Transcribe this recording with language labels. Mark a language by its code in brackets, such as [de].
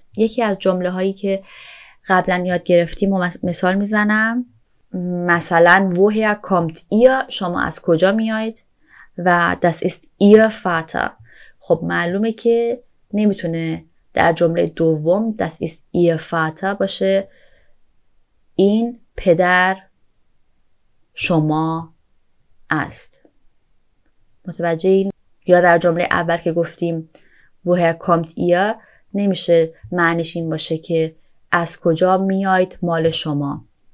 [fa] یکی از جمله هایی که قبلا یاد گرفتیم و مثال میزنم. مثلا [de] woher kommt ihr؟ [fa] شما از کجا میایید؟ و [de] das ist ihr Vater. [fa] خب معلومه که نمیتونه در جمله دوم [de] das ist ihr Vater [fa] باشه. این پدر شما است. متوجه این؟ یا در جمله اول که گفتیم [de] woher kommt ihr، [fa] نمیشه معنیش این باشه که از کجا میاید مال شما.